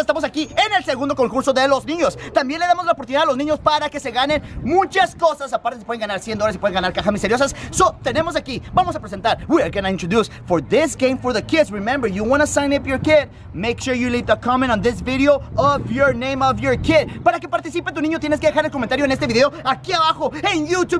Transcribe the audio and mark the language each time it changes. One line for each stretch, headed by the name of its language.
Spanish: Estamos aquí en el segundo concurso de los niños. También le damos la oportunidad a los niños para que se ganen muchas cosas. Aparte, se pueden ganar $100, se pueden ganar cajas misteriosas. So, tenemos aquí, vamos a presentar.
English: We are gonna introduce for this game for the kids. Remember, you wanna sign up your kid, make sure you leave the comment on this video of your name of your kid.
Spanish: Para que participe tu niño, tienes que dejar el comentario en este video aquí abajo en YouTube.